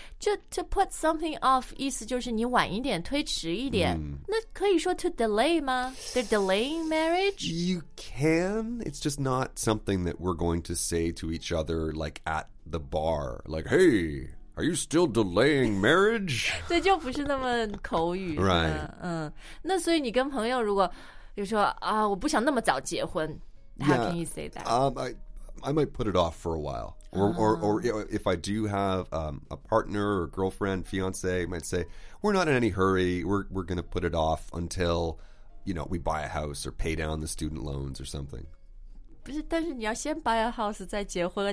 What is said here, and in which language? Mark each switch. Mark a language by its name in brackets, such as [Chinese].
[English] To put something off [Chinese] 意思就是你晚一点推迟一点、那可以说 [English] to delay [Chinese] 吗 [English] They're delaying marriage? You can It's just not something that we're going to say to each other Like at the bar Like hey Are you still delaying marriage? [Chinese] 对就不是那么口语 [English] Right、 [Chinese] 那所以你跟朋友如果就说、我不想那么早结婚 How [English] yeah, can you say that?、 I, I might put it off for a while. Or you know, if I do have a partner or girlfriend, fiance, I might say, we're not in any hurry. We're going to put it off until, you know, we buy a house or pay down the student loans or something. [Chinese] 不是，但是你要先 [English] buy a house [Chinese] 再结婚了。